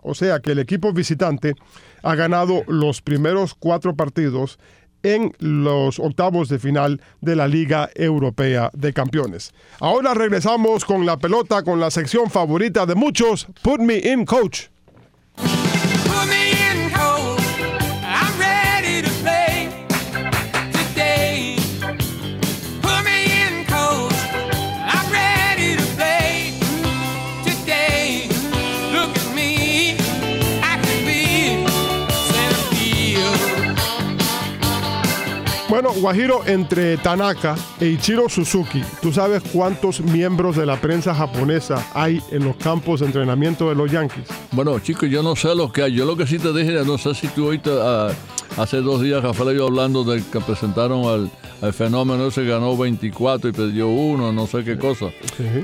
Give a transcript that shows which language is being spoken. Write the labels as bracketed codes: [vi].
[es] O sea que el equipo visitante ha ganado los primeros cuatro partidos en los octavos de final de la Liga Europea de Campeones. Ahora regresamos con la pelota, con la sección favorita de muchos, Put Me In Coach. [en] Put me in coach, I'm ready to play today. Put me in coach, I'm ready to play today. Look at me, I can be Sanfield. [es] Bueno, Guajiro, entre Tanaka e Ichiro Suzuki, ¿tú sabes cuántos miembros de la prensa japonesa hay en los campos de entrenamiento de los Yankees? Bueno, chicos, yo no sé lo que hay. Yo lo que sí te dije, no sé si tú oíste hace dos días, Rafael y yo hablando de que presentaron al fenómeno ese, ganó 24 y perdió uno, no sé qué cosa. Sí.